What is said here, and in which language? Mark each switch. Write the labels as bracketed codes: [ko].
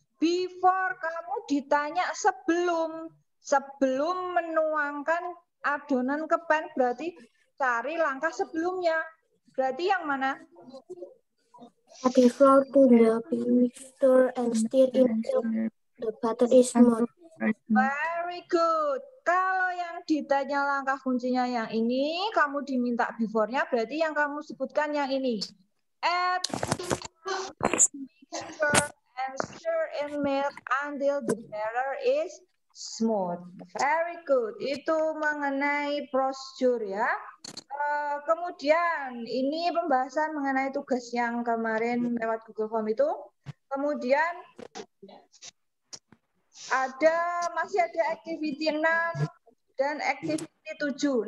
[id] Before kamu ditanya sebelum menuangkan adonan ke pan, berarti cari langkah sebelumnya. Berarti yang mana? [en] Okay, flour to the mixture and stir until the batter is melted. Very good. [id] Kalau yang ditanya langkah kuncinya yang ini, kamu diminta before-nya, berarti yang kamu sebutkan yang ini. [en] Add mixture and stir in milk until the batter is smooth. Very good. [id] Itu mengenai prosedur ya. Kemudian ini pembahasan mengenai tugas yang kemarin lewat Google Form itu. Kemudian masih ada activity 6 dan activity 7.